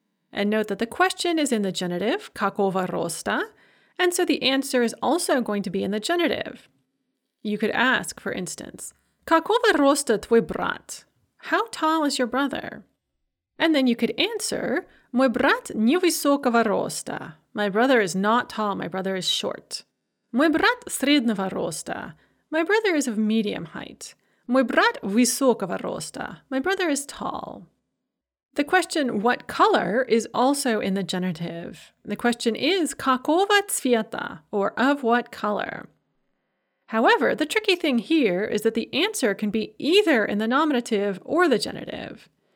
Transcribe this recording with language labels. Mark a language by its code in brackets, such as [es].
[en] And note that the question is in the genitive, [ru] какого роста, [en] and so the answer is also going to be in the genitive. You could ask, for instance, [ru] какого роста твой брат? [en] How tall is your brother? And then you could answer, [ru] мой брат невысокого роста. [en] My brother is not tall, my brother is short. [ru] Мой брат среднего роста. [en] My brother is of medium height. [ru] Мой брат высокого роста. [en] My brother is tall. The question, what color, is also in the genitive. The question is, [ru] какого цвета, [en] or of what color? However, the tricky thing here is that the answer can be either in the nominative or the genitive.